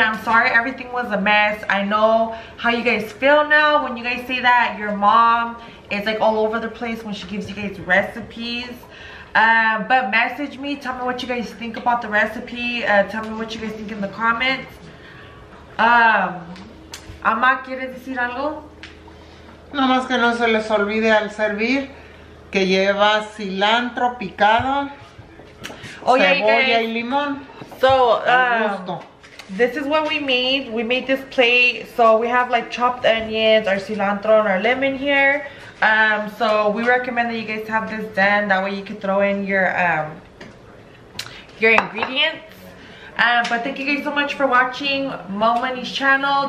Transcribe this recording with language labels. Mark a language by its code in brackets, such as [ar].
[en] I'm sorry everything was a mess. I know how you guys feel now when you guys say that your mom is like all over the place when she gives you guys recipes. But message me, tell me what you guys think about the recipe, tell me what you guys think in the comments. [es] Amá, ¿quieres decir algo? No más que no se les olvide al servir que lleva cilantro picado, cebolla y limón. [en] So, this is what we made. We made this plate. So we have like chopped onions, our cilantro, and our lemon here. So we recommend that you guys have this done, that way you can throw in your ingredients. But thank you guys so much for watching Mo Money's channel.